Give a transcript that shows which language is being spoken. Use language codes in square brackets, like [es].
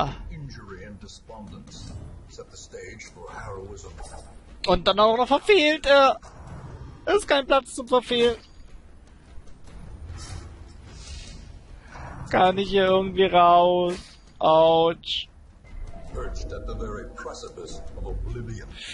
[en] Injury and despondence set the stage for heroism. [de] Und dann auch noch verfehlt er. Ist kein Platz zum Verfehlen. Kann ich hier irgendwie raus? Autsch. [en] Perched at the very precipice of oblivion.